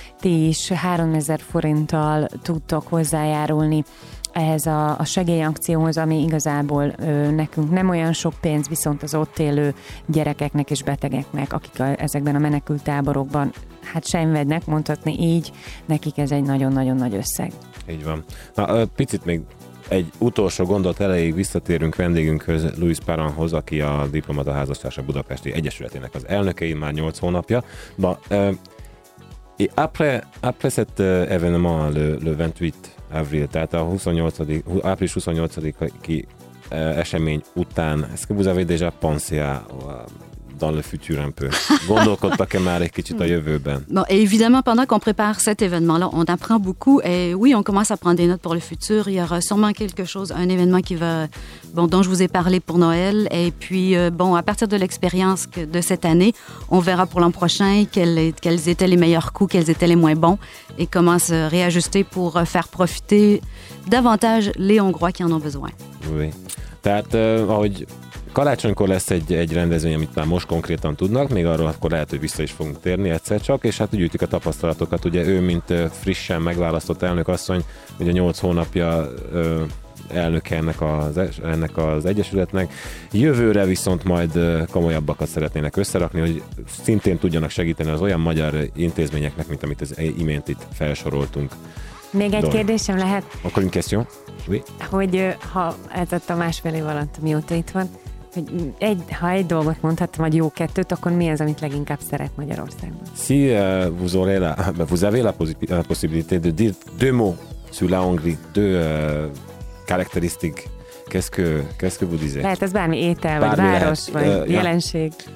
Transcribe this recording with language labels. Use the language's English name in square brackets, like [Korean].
[Hungarian] Ti is 3000 forinttal tudtok hozzájárulni ehhez a segélyakcióhoz, ami igazából nekünk nem olyan sok pénz, viszont az ott élő gyerekeknek és betegeknek, akik ezekben a menekült táborokban hát szenvednek, mondhatni így, nekik ez egy nagyon-nagyon nagy összeg. Így van. Na, picit még egy utolsó gondot elejéig visszatérünk vendégünkhöz, Luis Paranhoz, aki a Diplomata Házastársa Budapesti Egyesületének az elnöke, így már 8 hónapja. [French] Na, et après cet événement, le 28 avril, [Hungarian] tehát a 28. április 28-i esemény után, [French] est-ce que vous avez déjà pensé à dans le futur un peu? [Hungarian] Gondolkodtak-e már egy kicsit a jövőben? [French] Bon, et évidemment, pendant qu'on prépare cet événement-là, on apprend beaucoup, et oui, on commence à prendre des notes pour le futur. Il y aura sûrement quelque chose, un événement qui va, bon, dont je vous ai parlé pour Noël, et puis, bon, à partir de l'expérience de cette année, on verra pour l'an prochain quels étaient les meilleurs coups, quels étaient les moins bons, et comment se réajuster pour faire profiter davantage les Hongrois qui en ont besoin. Oui. [Hungarian] Tehát, ahogy karácsonykor lesz egy rendezvény, amit már most konkrétan tudnak, még arról akkor lehet, hogy vissza is fogunk térni egyszer csak, és hát gyűjtik a tapasztalatokat. Ugye ő, mint frissen megválasztott elnök asszony, ugye 8 hónapja elnöke ennek az egyesületnek. Jövőre viszont majd komolyabbakat szeretnének összerakni, hogy szintén tudjanak segíteni az olyan magyar intézményeknek, mint amit az imént itt felsoroltunk. Még egy kérdésem lehet? Akkor egy kérdés, jó? Hogy ha ez a másfél év alatt mióta itt van, hogy ha egy dolgot mondhatom, vagy jó kettőt, akkor mi az, amit leginkább szeret Magyarországon? [French] Si vous avez la possibilité de dire deux mots sur la Hongrie, deux caractéristiques, qu'est-ce que vous disiez? [Hungarian] Lehet ez bármi étel, vagy bármi város, lehet, vagy jelenség.